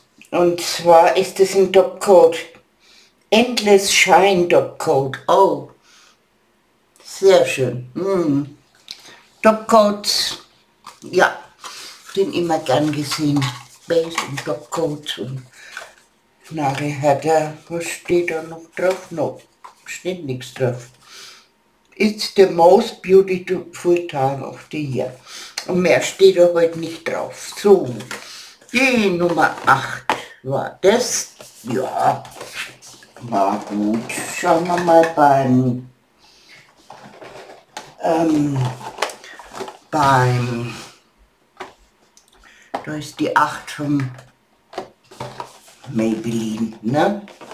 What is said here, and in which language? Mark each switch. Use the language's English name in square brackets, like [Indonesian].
[German] Und zwar ist es ein Topcoat. Endless Shine Topcoat, oh. Sehr schön. Mm. Topcoats, ja, sind immer gern gesehen. Base und Topcoats und Nagelhärte. Was steht da noch drauf? No. Steht nichts drauf. [English] It's the most beautiful time of the year. [German] Und mehr steht da heute nicht drauf. So, die Nummer 8 war das. Ja, war gut. Schauen wir mal beim da ist die 8 von Maybelline, ne?